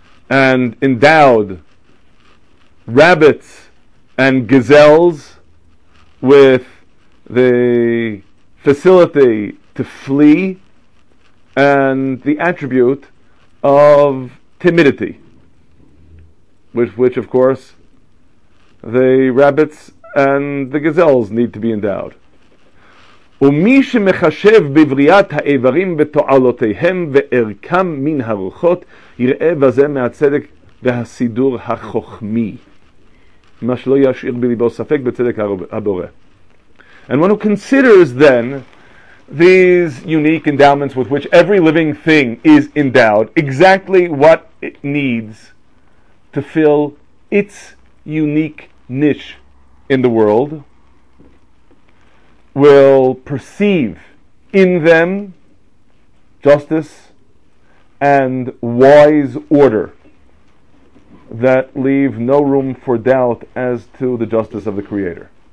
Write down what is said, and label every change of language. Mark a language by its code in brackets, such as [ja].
[en] And endowed rabbits and gazelles with the facility to flee and the attribute of timidity, which of course the rabbits and the gazelles need to be endowed. [he] ומי שמחשב בבריאת האיברים ותועלותיהם וערכם מן הרוחות יראה בזה מהצדק והסידור החוכמי. מה שלא ישאיר בליבו ספק בצדק הבורא. [en] And one who considers then these unique endowments with which every living thing is endowed, exactly what it needs to fill its unique niche in the world, will perceive in them justice and wise order that leave no room for doubt as to the justice of the Creator.